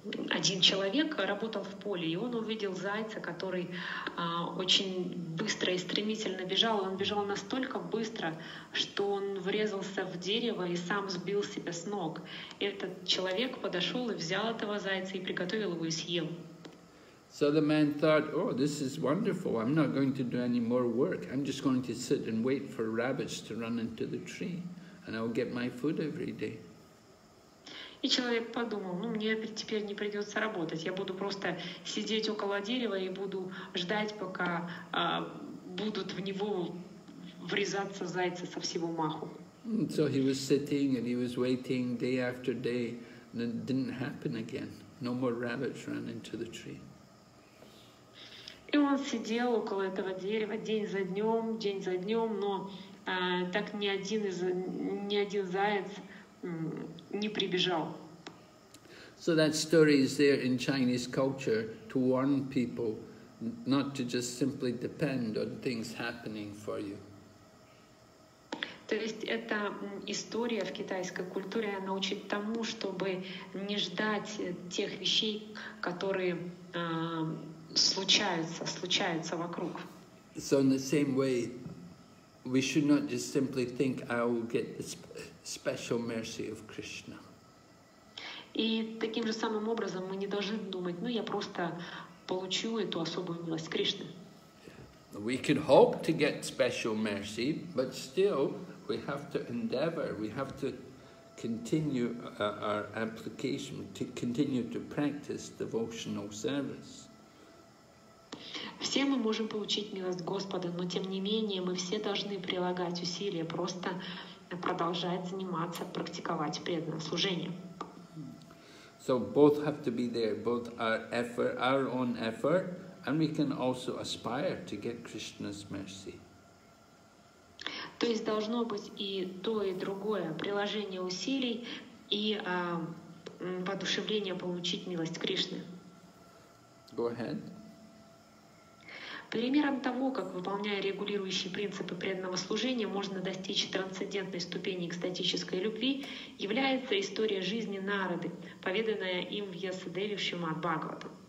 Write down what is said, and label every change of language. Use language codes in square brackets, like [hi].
[ru] Один человек работал в поле, и он увидел зайца, который очень быстро и стремительно бежал. Он бежал настолько быстро, что он врезался в дерево и сам сбил себя с ног. Этот человек подошел и взял этого зайца и приготовил его и съел. [en] So the man thought, oh, this is wonderful, I'm not going to do any more work. I'm just going to sit and wait for rabbits to run into the tree, and I'll get my food every day. [ru] И человек подумал, ну мне теперь не придется работать, я буду просто сидеть около дерева и буду ждать, пока будут в него врезаться зайцы со всего маху. [en] So he was sitting and he was waiting day after day, and it didn't happen again. No more rabbits ran into the tree. [ru] И он сидел около этого дерева день за днем, но так ни один заяц не прибежал. [en] So that story is there in Chinese culture to warn people not to just simply depend on things happening for you. [ru] То есть эта история в китайской культуре она учит тому, чтобы не ждать тех вещей, которые случаются вокруг. [en] So in the same way, we should not just simply think I will get this special mercy of Krishna. [ru] И таким же самым образом мы не должны думать, ну я просто получу эту особую милость Кришны. [en] We can hope to get special mercy, but still we have to endeavor, we have to continue our application, to continue to practice devotional service. [ru] Все мы можем получить милость Господа, но тем не менее мы все должны прилагать усилия, просто продолжать заниматься, практиковать преданное служение. [en] So both have to be there, both our effort, our own effort, and we can also aspire to get Krishna's mercy. [ru] То есть должно быть и то, и другое, приложение усилий и воодушевление получить милость Кришны. [en] Go ahead. [ru] Примером того, как, выполняя регулирующие принципы преданного служения, можно достичь трансцендентной ступени экстатической любви, является история жизни Нарады, поведанная им в Ясадеве в Шримад-Бхагавата.